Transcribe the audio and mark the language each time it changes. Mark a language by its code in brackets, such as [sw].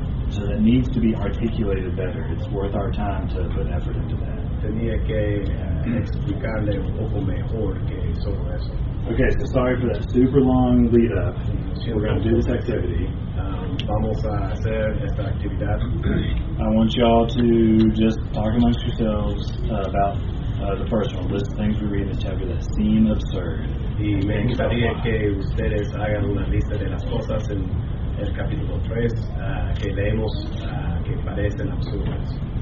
[en] So that needs to be articulated better. It's worth our time to put effort into that. [es] Tenía que explicarle un poco mejor que solo eso. [en] Okay, so sorry for that super long lead up. We're going to do this activity. [es] Vamos a hacer esta actividad. [en] I want y'all to just talk amongst yourselves about the first one. List things we read in this chapter that seem absurd. [es] Y me gustaría que ustedes hagan una lista de las cosas en el capítulo 3 que leemos que parecen absurdas.